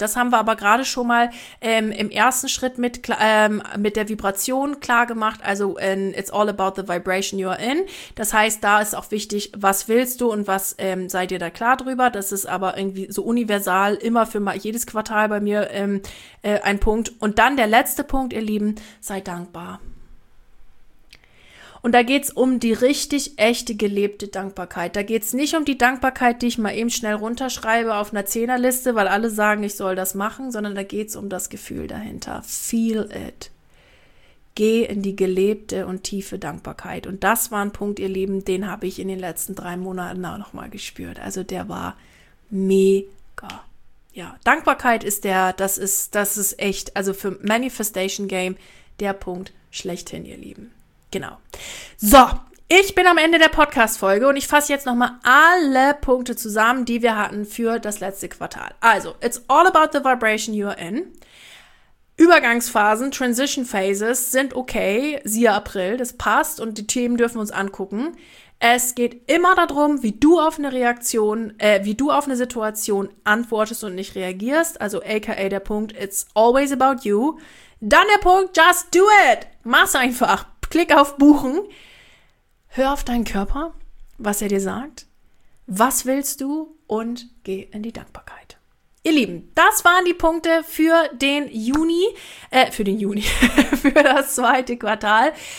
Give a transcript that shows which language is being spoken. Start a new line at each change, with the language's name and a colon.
German: Das haben wir aber gerade schon mal im ersten Schritt mit der Vibration klar gemacht.
English: Also it's all about the vibration you're in.
German: Das heißt, da ist auch wichtig, was willst du und was seid ihr da klar drüber? Das ist aber irgendwie so universal, immer für jedes Quartal bei mir ein Punkt. Und dann der letzte Punkt, ihr Lieben, sei dankbar. Und da geht's um die richtig echte gelebte Dankbarkeit. Da geht's nicht um die Dankbarkeit, die ich mal eben schnell runterschreibe auf einer 10er-Liste, weil alle sagen, ich soll das machen, sondern da geht's um das Gefühl dahinter.
English: Feel it.
German: Geh in die gelebte und tiefe Dankbarkeit. Und das war ein Punkt, ihr Lieben, den habe ich in den letzten 3 Monaten auch nochmal gespürt. Also der war mega. Ja, Dankbarkeit ist der, das ist echt, also für Manifestation Game, der Punkt schlechthin, ihr Lieben. Genau. So, ich bin am Ende der Podcast-Folge und ich fasse jetzt nochmal alle Punkte zusammen, die wir hatten für das letzte Quartal.
English: Also, it's all about the vibration you're in.
German: Übergangsphasen, Transition Phases sind okay, siehe April, das passt und die Themen dürfen wir uns angucken. Es geht immer darum, wie du auf eine Reaktion, wie du auf eine Situation antwortest und nicht reagierst. Also, aka der Punkt,
English: it's always about you.
German: Dann der Punkt,
English: just do it.
German: Mach's einfach. Klick auf Buchen, hör auf deinen Körper, was er dir sagt, was willst du und geh in die Dankbarkeit. Ihr Lieben, das waren die Punkte für den Juni, für das zweite Quartal.